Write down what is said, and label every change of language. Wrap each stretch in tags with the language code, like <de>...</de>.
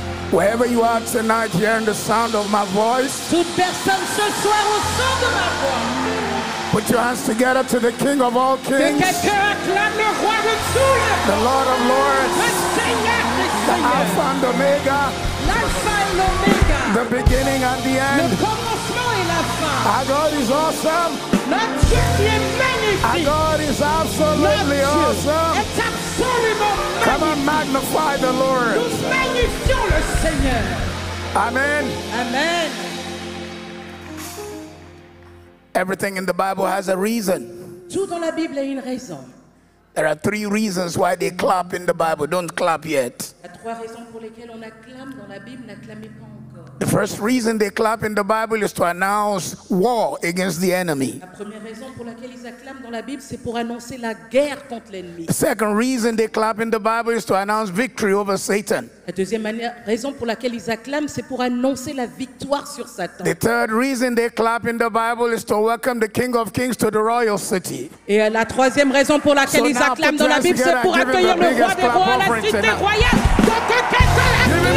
<en>Wherever you are tonight, hearing the sound of my voice.</en> <fr>Toute personne ce soir au son de ma voix.</fr> <en>Put your hands together to the King of all kings.</en> <fr>Que quelqu'un acclame le roi de tous.</fr> <en>The Lord of lords.</en> <fr>Le Seigneur des seigneurs.</fr> <en>The Alpha and Omega.</en> <fr>L'Alpha et l'Omega.</fr> <en>The beginning and the end.</en> <fr>Le commencement et la fin.</fr> <en>Our God is awesome.</en> <fr>Notre Dieu qui est magnifique.</fr> <en>Our God is absolutely awesome.</en> <fr>Notre Dieu est absolument magnifique.</fr> <en>Come and magnify the Lord.</en> <fr>Seigneur. Amen. Amen.</fr> <en>Everything in the Bible has a reason.</en> <fr>Tout dans la Bible a une raison.</fr> <en>There are three reasons why they clap in the Bible. Don't clap yet.</en> <fr>Il y a trois raisons pour lesquelles on acclame dans la Bible, n'acclamez pas encore.</fr> <en>The first reason they clap in the Bible is to announce war against the enemy.</en> <fr>La première raison pour laquelle ils acclament dans la Bible, c'est pour annoncer la guerre contre l'ennemi.</fr> <en>The second reason they clap in the Bible is to announce victory over Satan.</en> <fr>La deuxième raison pour laquelle ils acclament, c'est pour annoncer la victoire sur Satan.</fr> <en>The third reason they clap in the Bible is to welcome the King of Kings to the royal city.</en> <fr>Et la troisième raison pour laquelle ils acclament dans la Bible, c'est pour accueillir le roi des rois à la cité royale.</fr>